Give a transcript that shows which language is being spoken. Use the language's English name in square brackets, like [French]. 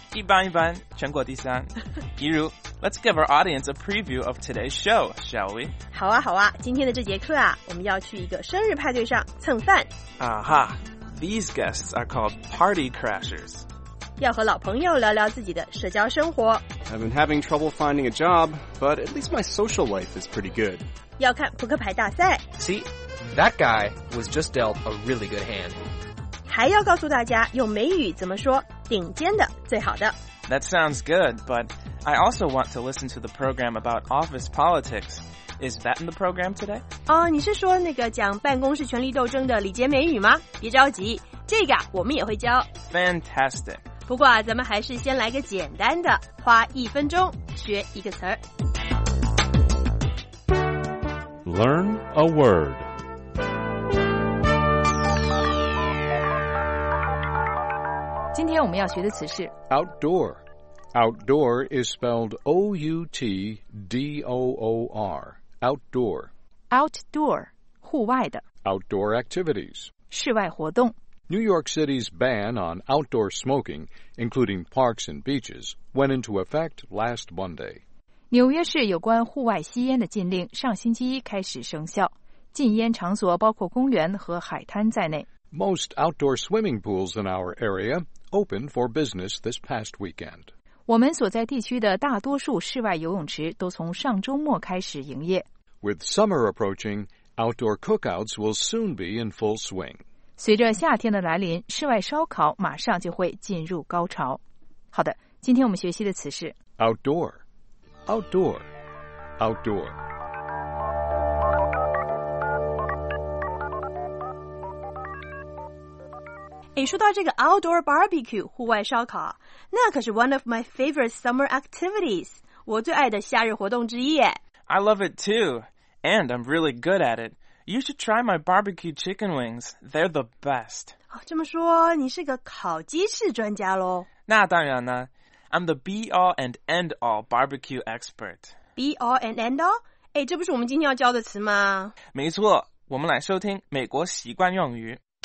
[Chinese] 一般一般，全国第三。 [English] 一如，Let's give our audience a preview of today's show, shall we? [Chinese] 好啊好啊，今天的这节课啊，我们要去一个生日派对上蹭饭。 [English] 啊哈，These guests are called party crashers. [Chinese] 要和老朋友聊聊自己的社交生活。 [English] I've been having trouble finding a job, but at least my social life is pretty good. [Chinese] 要看扑克牌大赛。 [English] See? That guy was just dealt a really good hand. [Chinese] 还要告诉大家用美语怎么说顶尖的最好的。 [English] That sounds good, but I also want to listen to the program about office politics. Is that in the program today? [Chinese] 哦，你是说那个讲办公室权力斗争的礼节美语吗？别着急，这个我们也会教。 Fantastic. 不过啊，咱们还是先来个简单的，花一分钟学一个词儿。 [English] Learn a word. [Chinese] 今天我们要学的词是 [English] outdoor. Outdoor is spelled O-U-T-D-O-O-R. Outdoor. [Chinese] Outdoor, 户外的 [English] Outdoor activities. [Chinese] 室外活动 [English] New York City's ban on outdoor smoking, including parks and beaches, went into effect last Monday. [Chinese] 纽约市有关户外吸烟的禁令上星期一开始生效。禁烟场所包括公园和海滩在内。 [English] Most outdoor swimming pools in our area opened for business this past weekend. [Chinese] 我们所在地区的大多数室外游泳池都从上周末开始营业。 [English] With summer approaching, outdoor cookouts will soon be in full swing. [Chinese] 随着夏天的来临，室外烧烤马上就会进入高潮。好的，今天我们学习的词是 [English] outdoor, outdoor, outdoor. [Chinese] 哎，说到这个 [English] outdoor barbecue [Chinese] 户外烧烤，那可是 [English] one of my favorite summer activities， [Chinese] 我最爱的夏日活动之一。 [English] I love it too, and I'm really good at it. You should try my barbecue chicken wings; they're the best. [Chinese] 哦，这么说你是个烤鸡翅专家喽？那当然呢 [English] ，I'm the be all and end all barbecue expert. Be all and end all？ [Chinese] 哎，这不是我们今天要教的词吗？没错，我们来收听美国习惯用语。